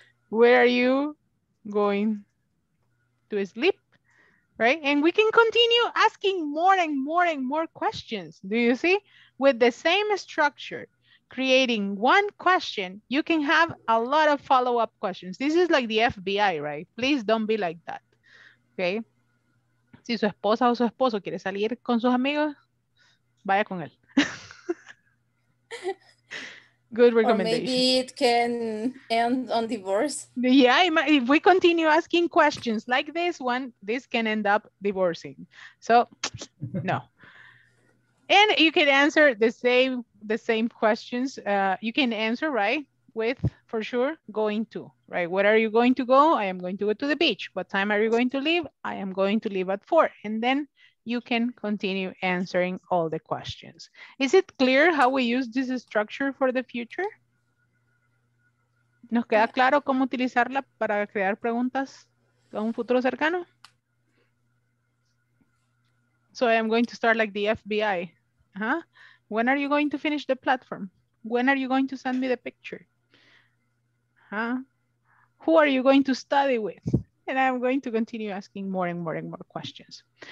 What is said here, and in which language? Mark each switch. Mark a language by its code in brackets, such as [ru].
[en] Where are you going to sleep? Right? And we can continue asking more and more and more questions. Do you see? With the same structure, creating one question, you can have a lot of follow-up questions. This is like the FBI, right? Please don't be like that, okay? [es] Si su esposa o su esposo quiere salir con sus amigos, vaya con él. [en] Good recommendation. Or maybe it can end on divorce. Yeah, if we continue asking questions like this one, this can end up divorcing. So, no. And you can answer the same questions you can answer, right? With, for sure, going to, right? Where are you going to go? I am going to go to the beach. What time are you going to leave? I am going to leave at 4. And then you can continue answering all the questions. Is it clear how we use this structure for the future? [es] ¿Nos queda claro cómo utilizarla para crear preguntas a un futuro cercano? [en] So I am going to start like the FBI. Huh? When are you going to finish the platform? When are you going to send me the picture? Huh? Who are you going to study with? And I'm going to continue asking more and more and more questions.